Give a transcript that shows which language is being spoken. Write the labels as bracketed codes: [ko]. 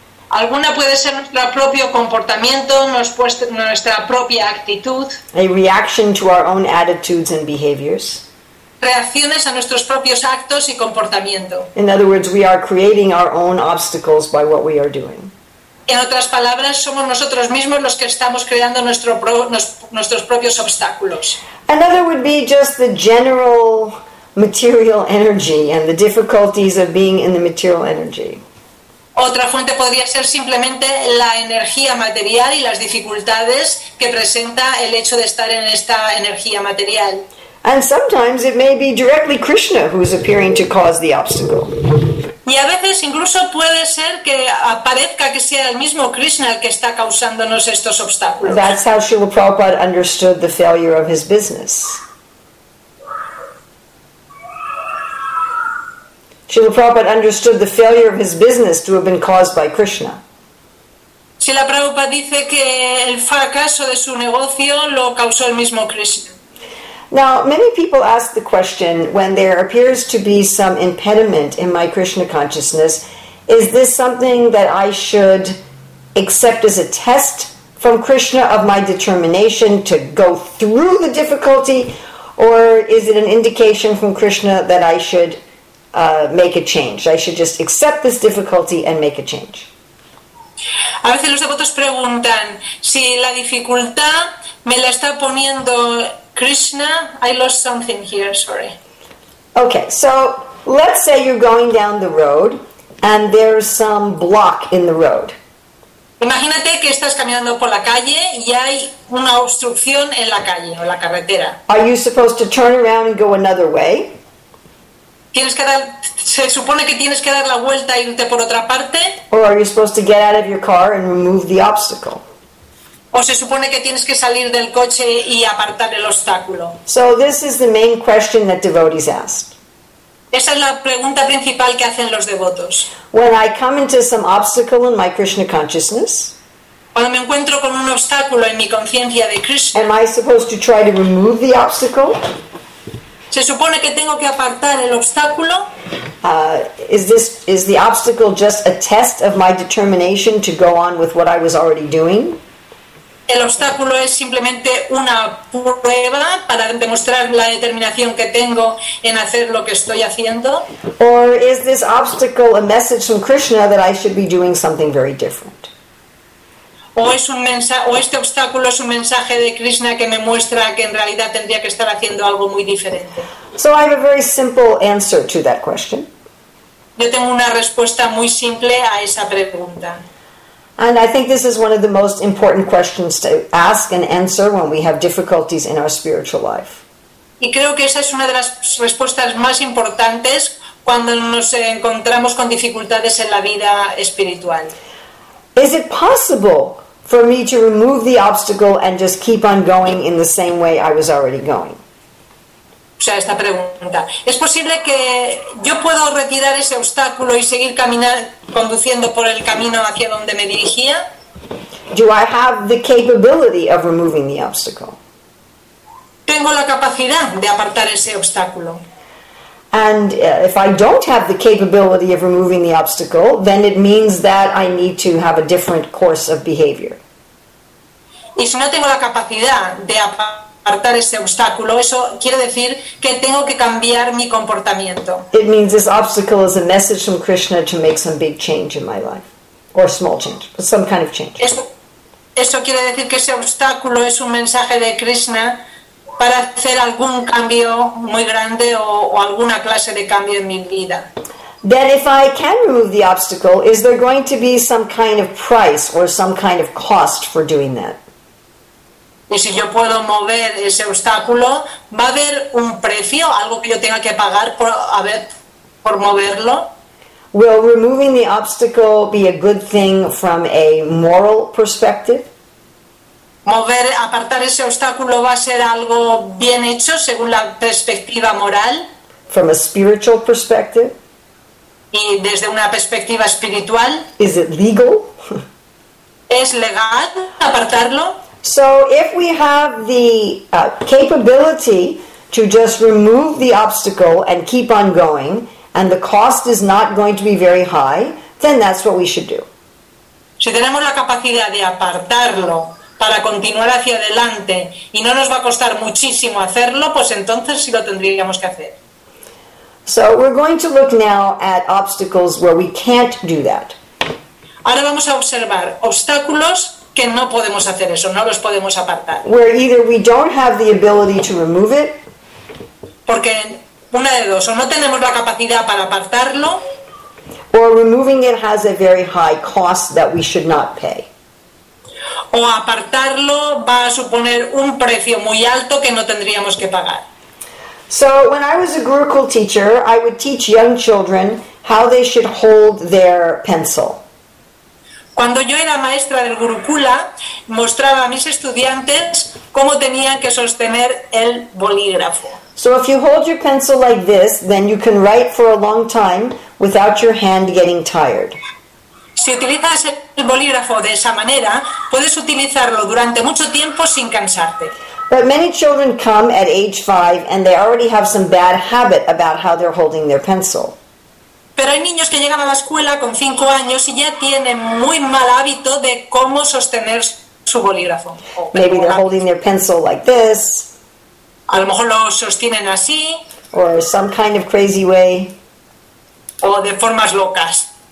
[es] Alguna puede ser nuestro propio comportamiento, nuestra propia actitud. [en] A reaction to our own attitudes and behaviors. [es] Reacciones a nuestros propios actos y comportamiento. [en] In other words, we are creating our own obstacles by what we are doing. [es] En otras palabras, somos nosotros mismos los que estamos creando nuestros propios obstáculos. [en] Another would be just the general material energy and the difficulties of being in the material energy. [es] Otra fuente podría ser simplemente la energía material y las dificultades que presenta el hecho de estar en esta energía material. [en] And sometimes it may be directly Krishna who is appearing to cause the obstacle. [es] Y a veces incluso puede ser que aparezca que sea el mismo Krishna el que está causándonos estos obstáculos. [en] That's how Srila Prabhupada understood the failure of his business. Srila Prabhupada understood the failure of his business to have been caused by Krishna. [es] Srila Prabhupada dice que el fracaso de su negocio lo causó el mismo Krishna. [en] Now, many people ask the question, when there appears to be some impediment in my Krishna consciousness, is this something that I should accept as a test from Krishna of my determination to go through the difficulty, or is it an indication from Krishna that I should make a change. I should just accept this difficulty and make a change. [es] A veces los devotos preguntan si la dificultad me la está poniendo [en] Krishna, I lost something here, sorry. Okay, so let's say you're going down the road and there's some block in the road. [es] Imagínate que estás caminando por la calle y hay una obstrucción en la calle o en la carretera. [en] Are you supposed to turn around and go another way? [es] ¿Tienes que dar, se supone que tienes que dar la vuelta e irte por otra parte? [en] Or are you supposed to get out of your car and remove the obstacle? [es] ¿O se supone que tienes que salir del coche y apartar el obstáculo? [en] So this is the main question that devotees ask. [es] Esa es la pregunta principal que hacen los devotos. [en] When I come into some obstacle in my Krishna consciousness, [es] cuando me encuentro con un obstáculo en mi conciencia de Krishna, [en] am I supposed to try to remove the obstacle? [es] ¿Se supone que tengo que apartar el obstáculo? [en] Is the obstacle just a test of my determination to go on with what I was already doing? [es] ¿El obstáculo es simplemente una prueba para demostrar la determinación que tengo en hacer lo que estoy haciendo? [en] Or is this obstacle a message from Krishna that I should be doing something very different? [es] ¿O este obstáculo es un mensaje de Krishna que me muestra que en realidad tendría que estar haciendo algo muy diferente? [en] So I have a very simple answer to that question. [es] Yo tengo una respuesta muy simple a esa pregunta. [en] And I think this is one of the most important questions to ask and answer when we have difficulties in our spiritual life. [es] Y creo que esa es una de las respuestas más importantes cuando nos encontramos con dificultades en la vida espiritual. [en] Is it possible for me to remove the obstacle and just keep on going in the same way I was already going? [es] O sea, esta pregunta. ¿Es posible que yo puedo retirar ese obstáculo y seguir caminar conduciendo por el camino hacia donde me dirigía? [en] Do I have the capability of removing the obstacle? [es] Tengo la capacidad de apartar ese obstáculo. [en] And if I don't have the capability of removing the obstacle, then it means that I need to have a different course of behavior. [es] Y si no tengo la capacidad de apartar ese obstáculo, eso quiere decir que tengo que cambiar mi comportamiento. [en] It means this obstacle is a message from Krishna to make some big change in my life, or small change, but some kind of change. [es] Eso quiere decir que ese obstáculo es un mensaje de Krishna para hacer algún cambio muy grande o alguna clase de cambio en mi vida. [en] Then if I can remove the obstacle, is there going to be some kind of price or some kind of cost for doing that? [es] Y si yo puedo mover ese obstáculo, ¿va a haber un precio, algo que yo tenga que pagar por moverlo? [en] Will removing the obstacle be a good thing from a moral perspective? [es] ¿Mover, apartar ese obstáculo va a ser algo bien hecho según la perspectiva moral? [en] From a spiritual perspective? [es] ¿Y desde una perspectiva espiritual? [en] Is it legal? [es] ¿Es legal apartarlo? [en] So if we have the capability to just remove the obstacle and keep on going, and the cost is not going to be very high, then that's what we should do. [es] Si tenemos la capacidad de apartarlo para continuar hacia adelante y no nos va a costar muchísimo hacerlo, pues entonces sí lo tendríamos que hacer. [en] So we're going to look now at obstacles where we can't do that. [es] Ahora vamos a observar obstáculos que no podemos hacer eso, no los podemos apartar. [en] Where either we don't have the ability to remove it, [es] porque una de dos, o no tenemos la capacidad para apartarlo, [en] or removing it has a very high cost that we should not pay. [es] O apartarlo va a suponer un precio muy alto que no tendríamos que pagar. [en] So when I was a Gurukul teacher, I would teach young children how they should hold their pencil. [es] Cuando yo era maestra del Gurukula, mostraba a mis estudiantes cómo tenían que sostener el bolígrafo. [en] So if you hold your pencil like this, then you can write for a long time without your hand getting tired. [es] Si utilizas el bolígrafo de esa manera, puedes utilizarlo durante mucho tiempo sin cansarte. [en] But many children come at age 5 and they already have some bad habit about how they're holding their pencil. [es] Pero hay niños que llegan a la escuela con 5 años y ya tienen muy mal hábito de cómo sostener su bolígrafo. [en] Maybe they're holding their pencil like this. [es] A lo mejor lo sostienen así. [en] Or some kind of crazy way. [es] O de formas locas.